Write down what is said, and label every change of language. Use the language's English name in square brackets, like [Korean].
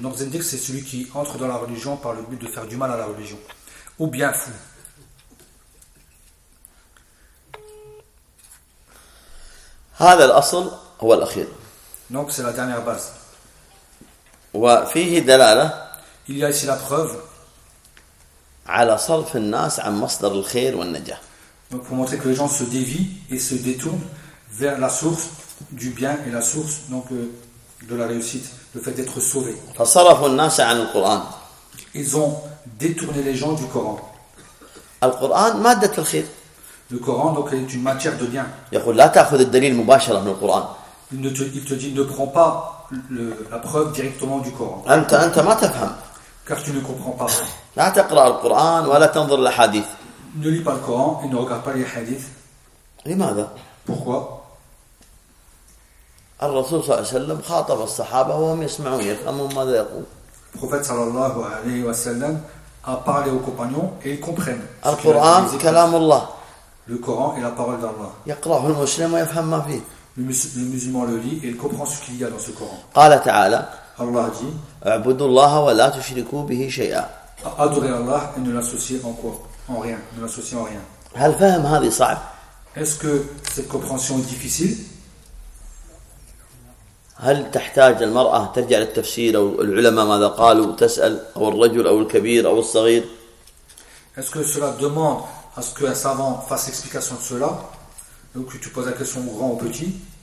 [French] Donc Zendik, c'est celui qui entre dans la religion par le but de faire du mal à la religion. Ou bien fou. [Arabic] هذا الأصل هو الأخير. [French] Donc c'est la dernière base. [Arabic] وفيه دلالة. [French] Il y a ici la preuve. [Arabic] على صرف الناس عن مصدر الخير والنجاة. [French] Donc pour montrer que les gens se dévient et se détournent vers la source du bien et la source donc de la réussite, le fait d'être sauvé. [Arabic] فصرف الناس عن القرآن. [French] Ils ont détourné les gens du Coran. [Arabic] القرآن مادة الخير. [French] Le Coran donc est une matière de bien. [Arabic] يقول لا تأخذ الدليل مباشرة من القرآن. [French] Il te dit ne prends pas la preuve directement du Coran. [Arabic] أنت ما تفهم. [French] Car tu ne comprends pas. [Arabic] لا تقرأ القرآن ولا تنظر الأحاديث. [French] Ne lis pas le Coran et ne regarde pas les hadiths. [Arabic] لماذا؟ [French] Pourquoi؟ [Arabic] الرسول صلى الله عليه وسلم خاطب الصحابة وهم يسمعون يفهمون ماذا يقول. [French] Le prophète [Arabic] sallallahu alayhi wa sallam [French] a parlé aux compagnons et ils comprennent. [Arabic] القرآن كلام الله. [French] Le Coran est la parole d'Allah. [Arabic] يقرأه المسلم ويفهم ما فيه. [French] Le musulman le lit et il comprend ce qu'il y a dans ce Coran. [Arabic] قال تعالى. [French] Allah dit. [Arabic] اعبدوا الله ولا تشركوا به شيئا. [French] Adorez Allah et ne l'associez en quoi? En rien. Ne l'associez en rien. [Arabic] هل فهم هذه صعب? [French] Est-ce que cette compréhension est difficile? [Arabic] هل تحتاج المرأة ترجع للتفسير أو العلماء ماذا قالوا تسأل أو الرجل أو الكبير أو الصغير? [French] Est-ce que cela demande à ce qu'un savant fasse explication de cela, donc tu poses la question au grand ou au petit.